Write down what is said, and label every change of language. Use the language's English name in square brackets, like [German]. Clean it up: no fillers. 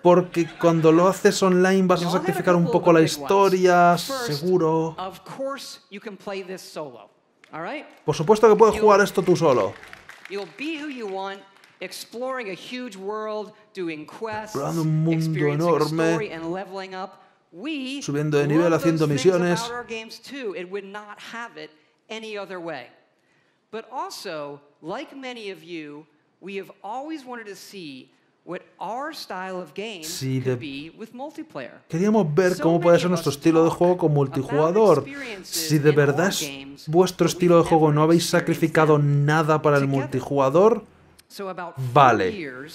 [Spanish] Porque cuando lo haces online vas a sacrificar un poco la historia, seguro. [English] Of course you can play this solo. All right? [Spanish] Por supuesto que puedes jugar esto tú solo. [English] You'll be who you want, exploring a huge world, doing quests, [Spanish] explorando un mundo enorme, [English] and leveling up. We [Spanish] subiendo de nivel, haciendo misiones. [English] It would not have it any other way. But also, like many of you, we have always wanted to see what our style of game could be with multiplayer. [Spanish] Queríamos ver cómo puede ser nuestro estilo de juego con multijugador. Si de verdad es vuestro estilo de juego, no habéis sacrificado nada para el multijugador, vale.